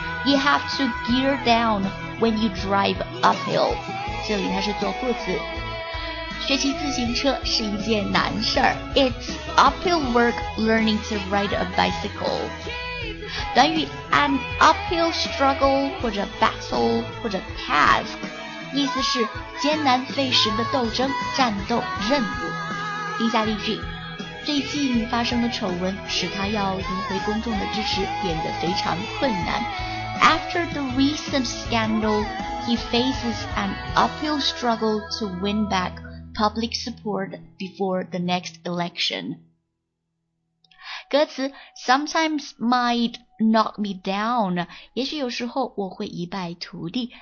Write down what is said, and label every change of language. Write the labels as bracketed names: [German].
[English] You have to gear down when you drive uphill。 [Chinese] 这里它是做副词。学骑自行车是一件难事儿。 [English] It's uphill work learning to ride a bicycle。 [Chinese] 短语 [English] an uphill struggle [Chinese] 或者 battle 或者 task， 意思是艰难费时的斗争、战斗、任务。以下例句：最近发生的丑闻使他要赢回公众的支持变得非常困难。 [English] After the recent scandal, he faces an uphill struggle to win back public support before the next election。 [Chinese] 歌词 [English] Sometimes might knock me down， [Chinese] 也许有时候我会一败涂地。